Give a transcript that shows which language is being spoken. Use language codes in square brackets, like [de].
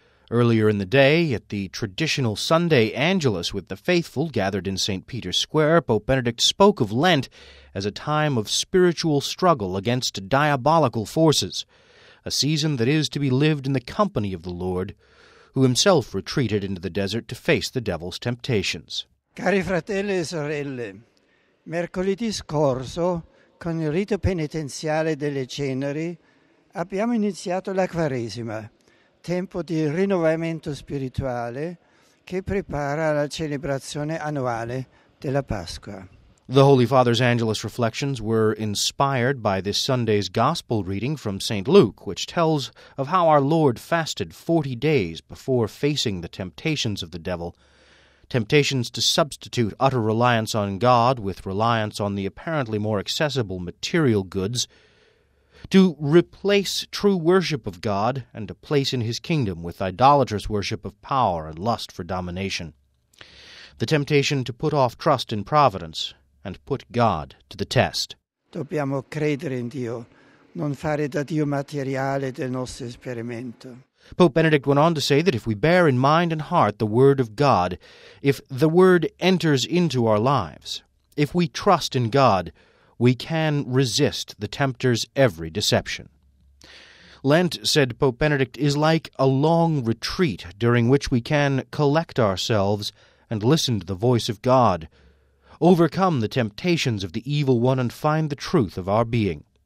[en] Earlier in the day, at the traditional Sunday Angelus with the faithful gathered in St. Peter's Square, Pope Benedict spoke of Lent as a time of spiritual struggle against diabolical forces, a season that is to be lived in the company of the Lord, who himself retreated into the desert to face the devil's temptations. [it] Cari fratelli e sorelle, mercoledì scorso, con il rito penitenziale delle ceneri, abbiamo iniziato la Quaresima, tempo di rinnovamento spirituale che prepara la celebrazione annuale della Pasqua. [en] The Holy Father's Angelus reflections were inspired by this Sunday's Gospel reading from St. Luke, which tells of how our Lord fasted 40 days before facing the temptations of the devil, temptations to substitute utter reliance on God with reliance on the apparently more accessible material goods, to replace true worship of God and a place in his kingdom with idolatrous worship of power and lust for domination, the temptation to put off trust in providence and put God to the test. [it] Dobbiamo credere in Dio, non fare da Dio materiale del nostro esperimento. [en] Pope Benedict went on to say that if we bear in mind and heart the Word of God, if the Word enters into our lives, if we trust in God, we can resist the tempter's every deception. Lent, said Pope Benedict, is like a long retreat during which we can collect ourselves and listen to the voice of God, overcome the temptations of the evil one and find the truth of our being.